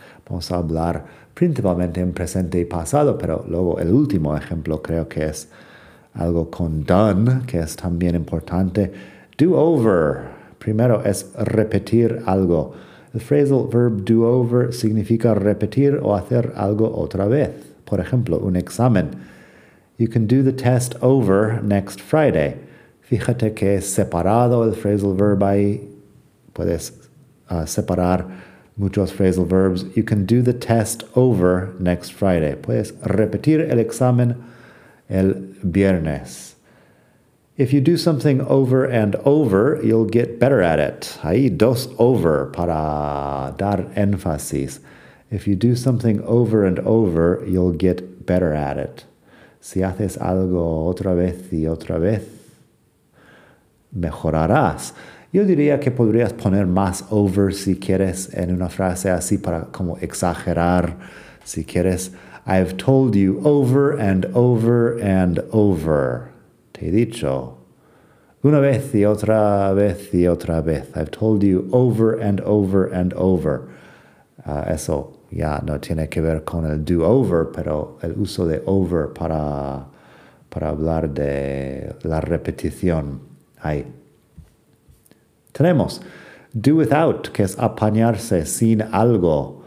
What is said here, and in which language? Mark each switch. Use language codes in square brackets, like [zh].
[es] Vamos a hablar principalmente en presente y pasado, pero luego el último ejemplo creo que es algo con done, que es también importante. Do over. Primero es repetir algo. El phrasal verb do over significa repetir o hacer algo otra vez. Por ejemplo, un examen. [en] You can do the test over next Friday. [es] Fíjate que es separado el phrasal verb ahí. Puedes separar muchos phrasal verbs. [en] You can do the test over next Friday. [es] Puedes repetir el examen el viernes. [en] If you do something over and over, you'll get better at it. [es] Ahí 2 over para dar énfasis. [en] If you do something over and over, you'll get better at it. [es] Si haces algo otra vez, mejorarás. Yo diría que podrías poner más over si quieres en una frase así para como exagerar. Si quieres, [en] I've told you over and over and over. [es] Te he dicho. Una vez y otra vez y otra vez. [en] I've told you over and over and over. [es] Eso. Ya no tiene que ver con el do over, pero el uso de over para hablar de la repetición ahí. Tenemos do without, que es apañarse sin algo.